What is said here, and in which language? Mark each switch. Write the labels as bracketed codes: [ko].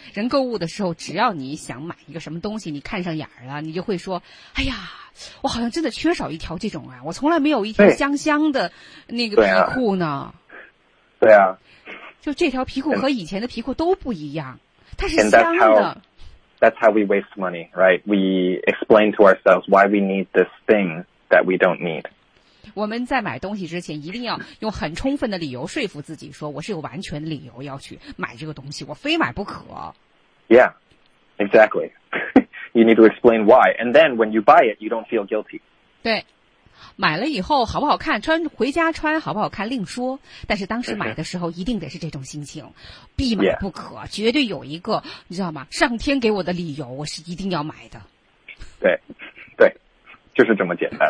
[zh] 人购物的时候，只要你想买一个什么东西，你看上眼了，你就会说，哎呀，我好像真的缺少一条这种啊，我从来没有一条香香的那个皮裤呢。对啊，就这条皮裤和以前的皮裤都不一样，它是香的。 [en] That's how we waste money, right? We explain to ourselves why we need this thing that we don't need. [zh] 我们在买东西之前一定要用很充分的理由说服自己，说我是有完全的理由要去买这个东西，我非买不可。 [en] Yeah, exactly. You need to explain why. And then when you buy it, you don't feel guilty. [zh] 对，买了以后好不好看，穿回家穿好不好看另说，但是当时买的时候一定得是这种心情，必买不可，绝对有一个，你知道吗，上天给我的理由，我是一定要买的。对，对。就是这么简单，